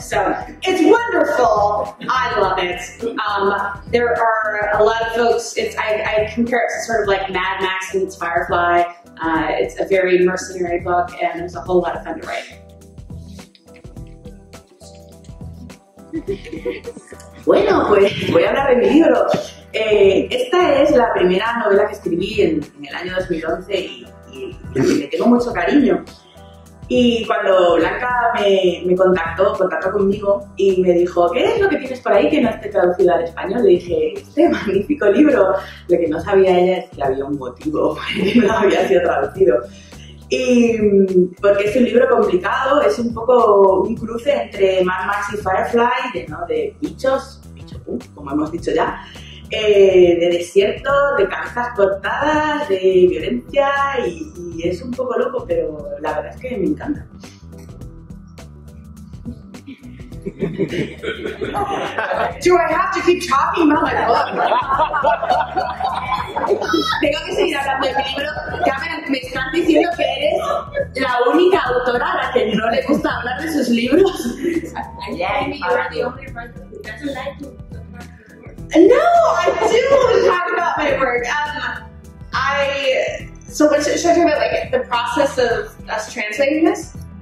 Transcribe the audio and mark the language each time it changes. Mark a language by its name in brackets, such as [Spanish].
[English] So it's wonderful. I love it. There are a lot of folks. I compare it to sort of like Mad Max meets Firefly. It's a very mercenary book, and it was a whole lot of fun to write. [Spanish] Bueno, pues voy a hablar de mi libro. Esta es la primera novela que escribí en el año 2011 y le tengo mucho cariño. Y cuando Blanca me contactó conmigo y me dijo, ¿qué es lo que tienes por ahí que no esté traducido al español? Le dije, este magnífico libro. Lo que no sabía ella es que había un motivo por el que no había sido traducido. Y porque es un libro complicado, es un poco un cruce entre Mad Max y Firefly, ¿no? De bicho punk, como hemos dicho ya, de desierto, de cabezas cortadas, de violencia, y es un poco loco, pero la verdad es que me encanta. [English] Do I have to keep talking about my book? [Spanish] Tengo que seguir hablando de mi libro. Cameron, me están diciendo que eres la única autora a la que no le gusta hablar de sus libros. [English] No, I do want to talk about my work. Should I talk about like the process of us translating this?